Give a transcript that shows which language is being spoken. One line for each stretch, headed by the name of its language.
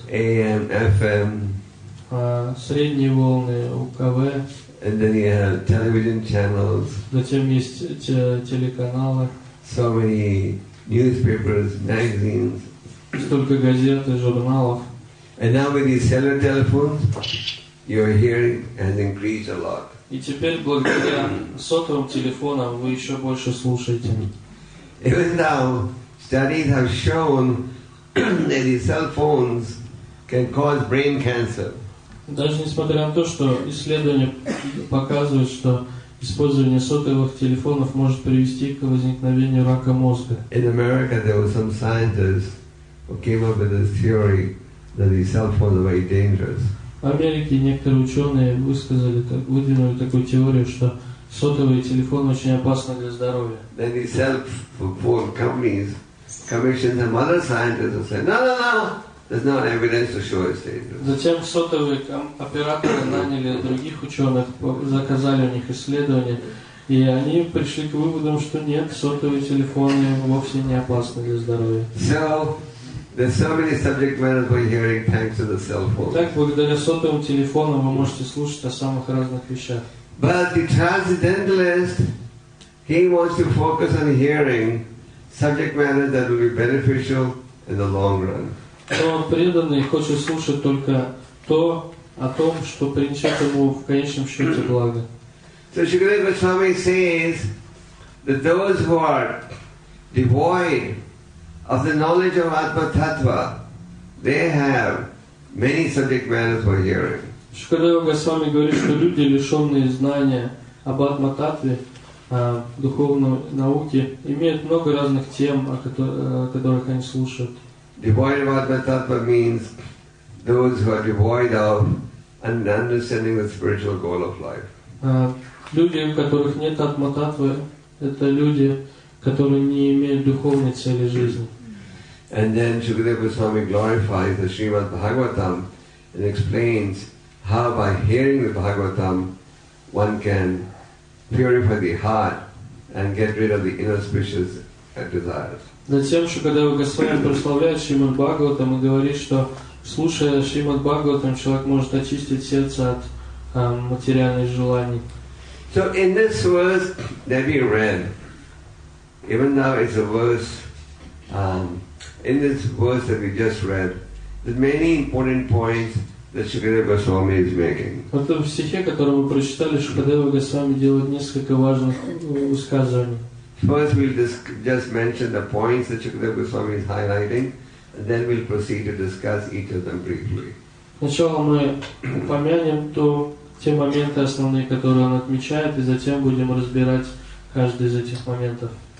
English: AM, FM.
Russian: Средние волны, УКВ.
English: And then you have television channels.
Russian: Затем есть телеканалы.
English: So many newspapers, magazines.
Russian: Столько газет и журналов.
English: And now with these cellular telephones, your hearing has increased a lot.
Russian: И теперь благодаря сотовым телефонам вы еще больше слушаете.
English: Even now, studies have shown that these cell phones can cause brain cancer.
Russian: Даже несмотря на то, что исследования показывают, что использование сотовых телефонов может привести к возникновению рака мозга.
English: In America there were some scientists who came up with this theory that these cell phones are very dangerous.
Russian: В Америке некоторые ученые выдвинули такую теорию, что сотовые телефоны очень опасны для здоровья.
English: Then these cell phone companies commissioned some other scientists and said, no. There's no evidence to show it's dangerous.
Russian: Затем сотовые операторы наняли других ученых, заказали у них исследования, и они пришли к выводу, что нет, сотовые телефоны вовсе не опасны для здоровья.
English: So, there's so many subject matters we're hearing thanks to the cell phone.
Russian: Так, благодаря сотовым телефонам вы можете слушать о самых разных вещах.
English: But the transcendentalist, he wants to focus on hearing subject matter that will be beneficial in the long run.
Russian: Но преданный хочет слушать только то, о том, что принесет ему в конечном счете благо.
English: So Shukadeva Goswami says that those who are devoid of the knowledge of Atma Tattva, they have many subject matters for hearing.
Russian: Шукадева Госвами говорит, что люди, лишенные знания об Атма Таттве, духовной науке, имеют много разных тем, о которых они слушают.
English: Devoid of Atma Tattva means those who are devoid of and understanding the spiritual goal of life.
Russian: Люди, у которых нет Атма Таттвы, это люди, которые не имеют духовной цели жизни.
English: And then Shukadeva Goswami glorifies the Srimad Bhagavatam and explains how by hearing the Bhagavatam one can purify the heart and get rid of the inauspicious desires.
Russian: Затем Шукадева Госвами прославляет Шримад Бхагаватам и говорит, что слушая Шримад Бхагаватам, человек может очистить сердце от материальных желаний.
English: So in this verse that we read, even now it's a verse, in this verse that we just read, there's many important points that Shukadeva Goswami is making.
Russian: Вот в стихе, который мы прочитали, Шукадева Госвами делает несколько важных высказываний.
English: First we'll just mention the points that Shukadeva Goswami is highlighting, and then we'll proceed to discuss each of them briefly.
Russian: Сначала мы упомянем те моменты основные, которые он отмечает, и затем будем разбирать каждый из этих моментов.